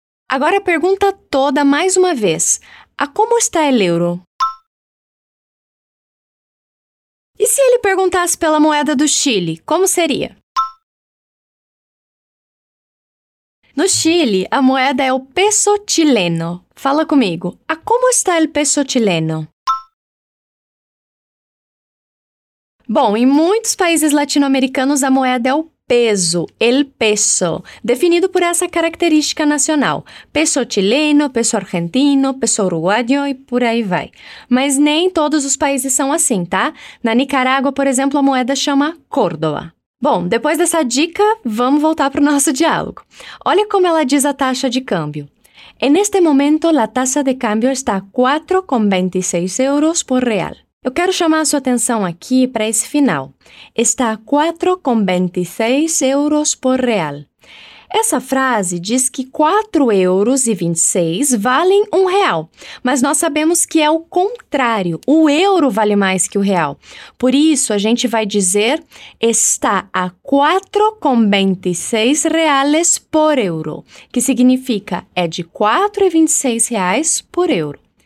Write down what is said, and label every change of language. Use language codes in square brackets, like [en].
[pt] Agora pergunta toda mais uma vez. [es] A como está el euro? [pt] E se ele perguntasse pela moeda do Chile, como seria? No Chile, a moeda é o peso chileno. Fala comigo. [es] A como está el peso chileno? [pt] Bom, em muitos países latino-americanos, a moeda é o peso, el peso, definido por essa característica nacional. Peso chileno, peso argentino, peso uruguayo e por aí vai. Mas nem todos os países são assim, tá? Na Nicarágua, por exemplo, a moeda chama córdoba. Bom, depois dessa dica, vamos voltar para o nosso diálogo. Olha como ela diz a taxa de câmbio. [es] En este momento, la tasa de cambio está 4,26 euros por real. [pt] Eu quero chamar a sua atenção aqui para esse final. [es] Está 4,26 euros por real. [pt] Essa frase diz que 4 euros e 26 valem um real, mas nós sabemos que é o contrário. O euro vale mais que o real. Por isso, a gente vai dizer está a 4,26 reais por euro, que significa é de 4,26 reais por euro.